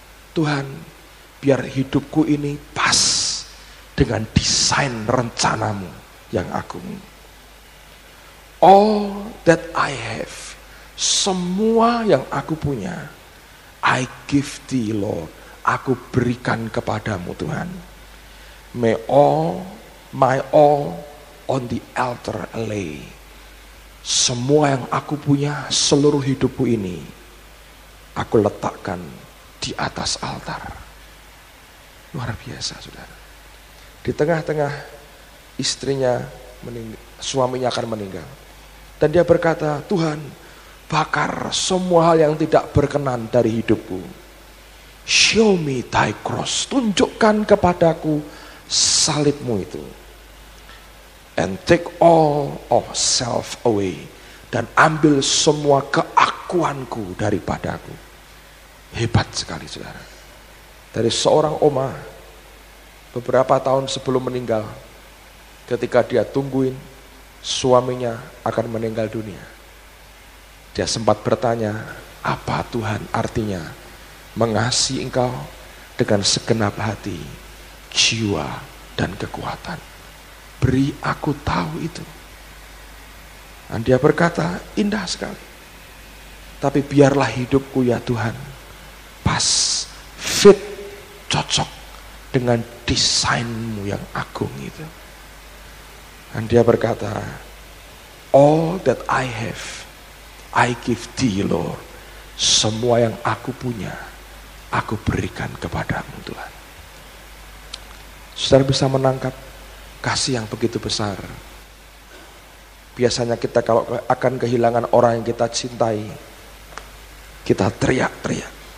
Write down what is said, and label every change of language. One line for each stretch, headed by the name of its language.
Indonesian: Tuhan, biar hidupku ini pas dengan desain rencanamu yang agung.
English: All that I have,
Indonesian: semua yang aku punya,
English: I give thee, Lord.
Indonesian: Aku berikan kepadamu, Tuhan.
English: May all, my all on the altar lay.
Indonesian: Semua yang aku punya, seluruh hidupku ini, aku letakkan di atas altar. Luar biasa, saudara. Di tengah-tengah istrinya, suaminya akan meninggal. Dan dia berkata, Tuhan, bakar semua hal yang tidak berkenan dari hidupku.
English: Show me thy cross.
Indonesian: Tunjukkan kepadaku salibmu itu.
English: And take all of self away.
Indonesian: Dan ambil semua keakuanku daripadaku. Hebat sekali, saudara. Dari seorang oma, beberapa tahun sebelum meninggal, ketika dia tungguin suaminya akan meninggal dunia, dia sempat bertanya, apa Tuhan artinya mengasihi Engkau dengan segenap hati, jiwa, dan kekuatan? Beri aku tahu itu. Dan dia berkata, indah sekali. Tapi biarlah hidupku ya Tuhan, pas, fit, cocok dengan desainmu yang agung itu. Dan dia berkata,
English: all that I have, I give thee, Lord.
Indonesian: Semua yang aku punya, aku berikan kepadamu, Tuhan. Saudara bisa menangkap kasih yang begitu besar. Biasanya kita kalau akan kehilangan orang yang kita cintai, kita teriak-teriak.